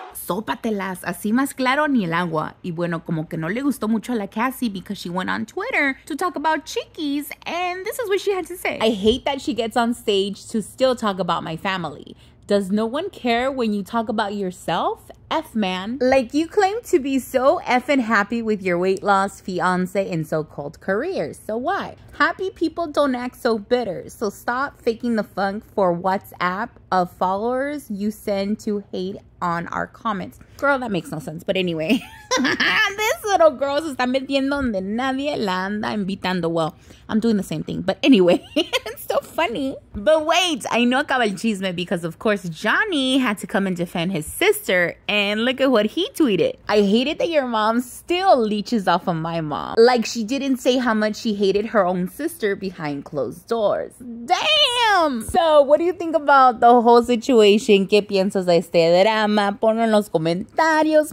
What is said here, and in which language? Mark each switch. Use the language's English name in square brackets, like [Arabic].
[Spanish] Sópatelas, así más claro ni el agua. Y bueno, como que no le gustó mucho a la Cassie [English] because she went on Twitter to talk about Chiquis, and this is what she had to say. I hate that she gets on stage to still talk about my family. Does no one care when you talk about yourself? F man. Like, you claim to be so effing happy with your weight loss, fiance, and so-called career. So why? Happy people don't act so bitter. So stop faking the funk for WhatsApp of followers you send to hate on our comments. Girl, that makes no sense. But anyway, this little girl [Spanish] se está metiendo donde nadie la anda invitando. [English] Well, I'm doing the same thing. But anyway, it's so funny. But wait, I know [Spanish] acaba el chisme [English] because, of course, Johnny had to come and defend his sister. And look at what he tweeted. I hated that your mom still leeches off of my mom. Like she didn't say how much she hated her own sister behind closed doors. Damn! So what do you think about the whole situation? [Spanish] ¿Qué piensas de este drama? Ponlo en los comentarios.